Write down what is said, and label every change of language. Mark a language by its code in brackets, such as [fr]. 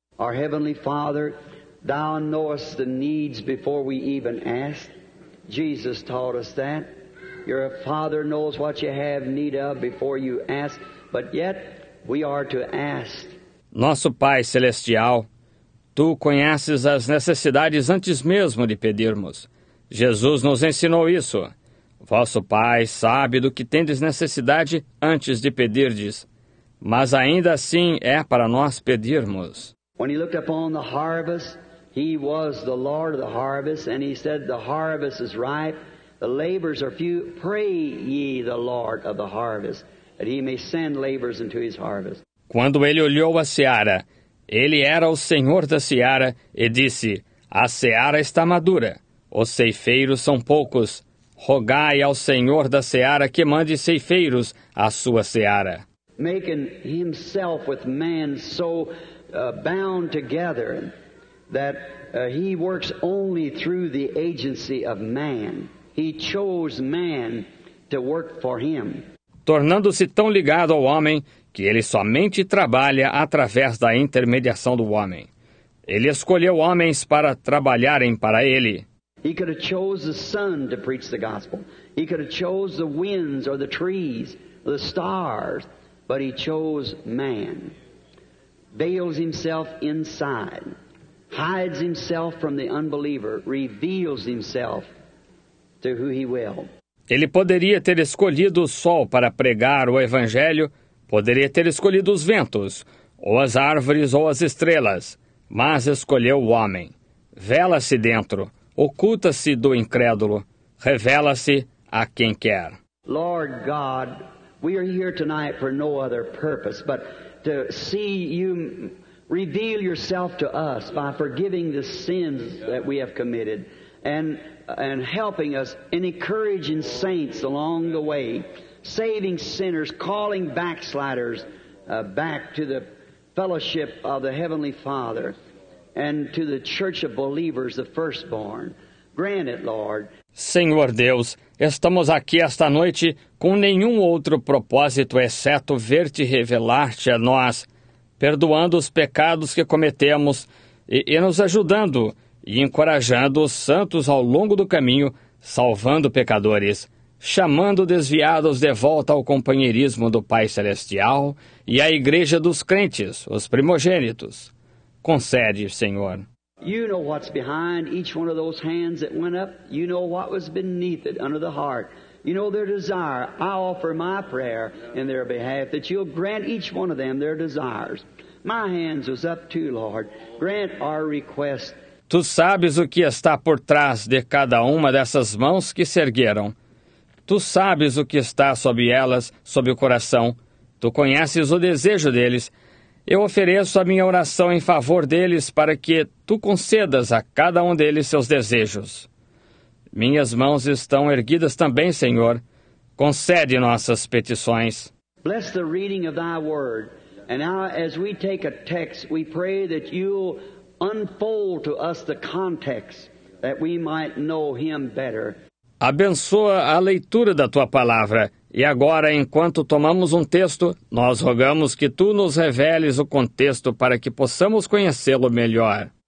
[en] Our Heavenly Father, Thou knowest the needs before we even ask. Jesus taught us that. Your Father knows what you have need of before you ask, but yet we are to ask. [pt] Nosso Pai Celestial, Tu conheces as necessidades antes mesmo de pedirmos. Jesus nos ensinou isso. Vosso Pai sabe do que tendes necessidade antes de pedirdes, mas ainda assim é para nós pedirmos. [en] When he looked upon the harvest, he was the Lord of the harvest, and he said, the harvest is ripe, the labors are few, pray ye the Lord of the harvest, that he may send labors into his harvest. [pt] Quando ele olhou a seara, ele era o Senhor da seara, e disse, a seara está madura, os ceifeiros são poucos, rogai ao Senhor da seara que mande ceifeiros à sua seara. [en] Making himself with man so bound together, that he works only through the agency of man. He chose man to work for him. [pt] Tornando-se tão ligado ao homem que ele somente trabalha através da intermediação do homem. Ele escolheu homens para trabalharem para ele. [en] He could have chose the sun to preach the gospel. He could have chose the winds or the trees, the stars, but he chose man. Veils himself inside, hides himself from the unbeliever, reveals himself to who he will. [pt] Ele poderia ter escolhido o sol para pregar o evangelho, poderia ter escolhido os ventos, ou as árvores ou as estrelas, mas escolheu o homem. Vela-se dentro, oculta-se do incrédulo, revela-se a quem quer. [en] Lord God, we are here tonight for no other purpose but to see you reveal yourself to us by forgiving the sins that we have committed and helping us and encouraging saints along the way, saving sinners, calling backsliders back to the fellowship of the Heavenly Father and to the church of believers, the firstborn. Grant it, Lord. [pt] Senhor Deus, estamos aqui esta noite com nenhum outro propósito exceto ver-te revelar-te a nós, perdoando os pecados que cometemos e nos ajudando e encorajando os santos ao longo do caminho, salvando pecadores, chamando desviados de volta ao companheirismo do Pai Celestial e à Igreja dos Crentes, os primogênitos. Concede, Senhor. [en] You know what's behind each one of those hands that went up. You know what was beneath it under the heart. You know their desire. I offer my prayer in their behalf that you'll grant each one of them their desires. My hands was up too, Lord. Grant our request. [pt] Tu sabes o que está por trás de cada uma dessas mãos que se ergueram. Tu sabes o que está sob elas, sob o coração. Tu conheces o desejo deles. Eu ofereço a minha oração em favor deles para que tu concedas a cada um deles seus desejos. Minhas mãos estão erguidas também, Senhor. Concede nossas petições. [en] Bless the reading of thy word. And now as we take a text, we pray that you'll unfold to us the context that we might know him better. [pt] Abençoa a leitura da tua palavra. E agora, enquanto tomamos um texto, nós rogamos que tu nos reveles o contexto para que possamos conhecê-lo melhor.